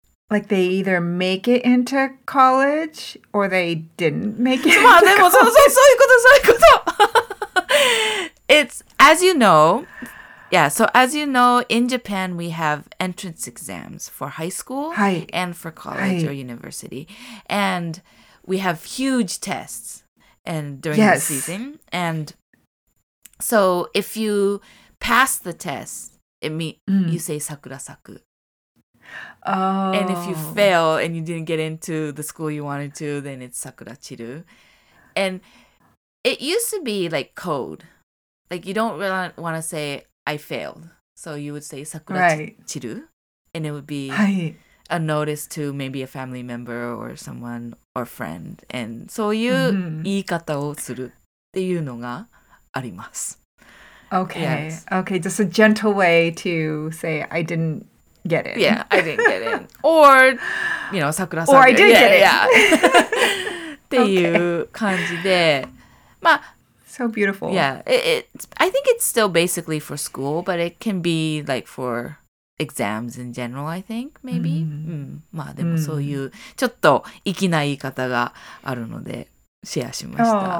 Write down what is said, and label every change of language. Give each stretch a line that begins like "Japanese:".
English: Like they either make it into college or they didn't make it.
Japanese: まあでもそうそうそういうことそういうこと。
English: It's as you know, yeah. So as you know, in Japan we have entrance exams for high school and for college or university, and we have huge tests and during the season. And so if you pass the test, it means you say sakura saku. And if you fail and you didn't get into the school you wanted to, then it's sakura chiru. And it used to be like code. Like you don't really want to say, I failed. So you would say sakura chiru. And it would be a notice to maybe a family member or someone or friend.
Japanese: And そういう言い方をするっていうのがあります。
English: Okay. Yes. Okay, just a gentle way to say, I didn't. Get in. Yeah, I didn't get in. Or, you know, sakura sakura. Or I did get in. Yeah.
Japanese: っていう感じで、まあ、
English: So beautiful. Yeah. I think it's still basically for school, but it can be like for exams in general, I think, maybe. Mm-hmm. Mm-hmm.
Japanese: まあでもそういうちょっと粋な言い方があるのでシェアしました。